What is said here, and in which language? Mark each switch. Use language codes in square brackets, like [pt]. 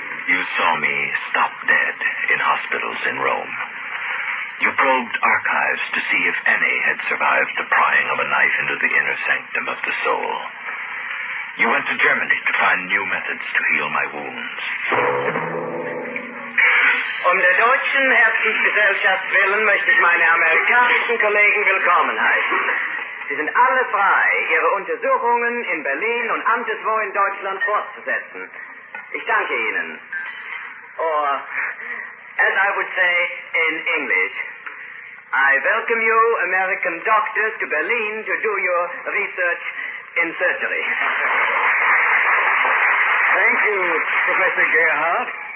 [en] You saw me stop dead in hospitals in Rome. You probed archives to see if any had survived the prying of a knife into the inner sanctum of the soul. You went to Germany to find new methods to heal my wounds. [de] Um der deutschen Herzensgesellschaft willen möchte ich meine amerikanischen Kollegen willkommen heißen. Sie sind alle frei, ihre Untersuchungen in Berlin und anderswo in Deutschland fortzusetzen. Ich danke Ihnen. [en] Or, as I would say in English, I welcome you American doctors to Berlin to do your research in surgery. Thank you, Professor Gerhardt.